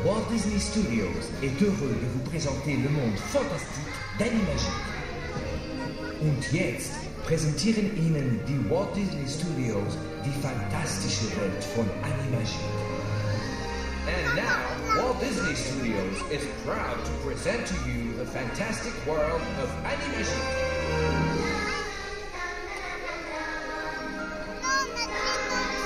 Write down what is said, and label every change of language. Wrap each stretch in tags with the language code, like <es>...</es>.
<fr>Disney Studios est heureux de vous présenter le monde fantastique d'Animagique.</fr> <de>Und jetzt präsentieren Ihnen die Walt Disney Studios die fantastische Welt von Animagique.</de> <en>And now, Walt Disney Studios is proud to present to you the fantastic world of Animagique.</en>